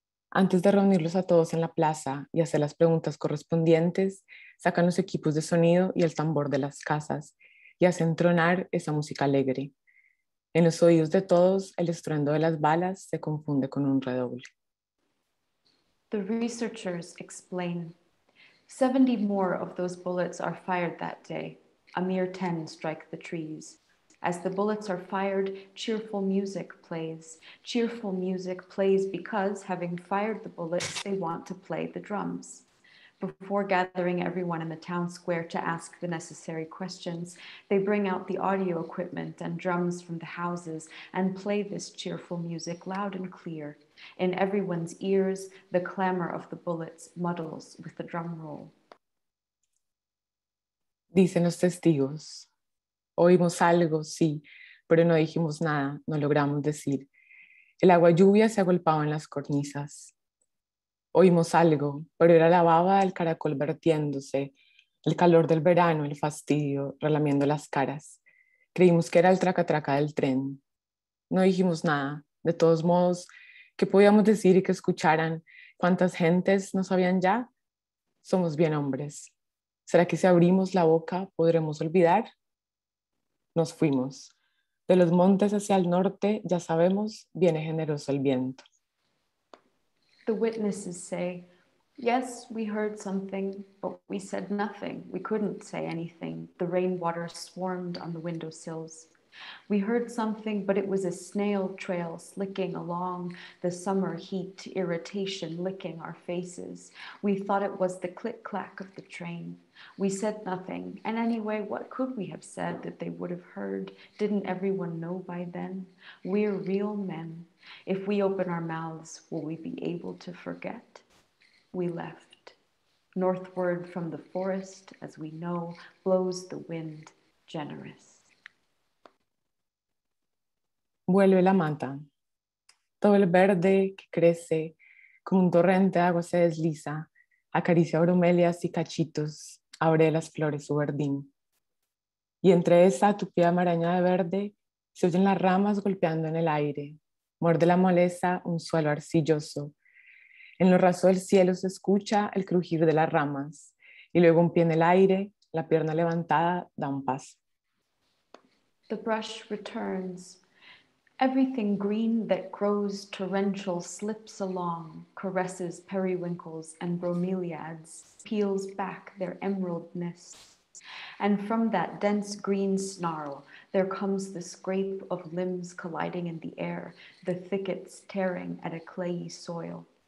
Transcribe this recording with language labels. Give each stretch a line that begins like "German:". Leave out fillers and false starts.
Spanish: Antes de reunirlos a todos en la plaza y hacer las preguntas correspondientes, sacan los equipos de sonido y el tambor de las casas y hacen tronar esa música alegre. En los oídos de todos, el estruendo de las balas se confunde con un redoble.
English: The researchers explain. 70 more of those bullets are fired that day. A mere 10 strike the trees. As the bullets are fired, cheerful music plays. Cheerful music plays because, having fired the bullets, they want to play the drums. Before gathering everyone in the town square to ask the necessary questions, they bring out the audio equipment and drums from the houses and play this cheerful music loud and clear. In everyone's ears, the clamor of the bullets muddles with the drum roll.
Spanish: Dicen los testigos. Oímos algo, sí, pero no dijimos nada, no logramos decir. El agua lluvia se agolpaba en las cornisas. Oímos algo, pero era la baba del caracol vertiéndose, el calor del verano, el fastidio, relamiendo las caras. Creímos que era el tracatraca del tren. No dijimos nada, de todos modos, ¿qué podíamos decir y que escucharan? ¿Cuántas gentes no sabían ya? Somos bien hombres. ¿Será que si abrimos la boca podremos olvidar? Nos fuimos. De los montes hacia el norte, ya sabemos, viene generoso el viento.
English: The witnesses say, yes, we heard something, but we said nothing. We couldn't say anything. The rainwater swarmed on the windowsills. We heard something, but it was a snail trail slicking along the summer heat, irritation licking our faces. We thought it was the click-clack of the train. We said nothing. And anyway, what could we have said that they would have heard? Didn't everyone know by then? We're real men. If we open our mouths, will we be able to forget? We left. Northward from the forest, as we know, blows the wind generous.
Spanish: Vuelve la manta. Todo el verde que crece, como un torrente de agua se desliza, acaricia bromelias y cachitos, abre las flores su verdín. Y entre esa tupida maraña de verde, se oyen las ramas golpeando en el aire, muerde la maleza un suelo arcilloso. En lo raso del cielo se escucha el crujir de las ramas, y luego un pie en el aire, la pierna levantada, da un paso.
English: The brush returns. Everything green that grows torrential slips along, caresses periwinkles and bromeliads, peels back their emerald mists. And from that dense green snarl, there comes the scrape of limbs colliding in the air, the thickets tearing at a clayey soil.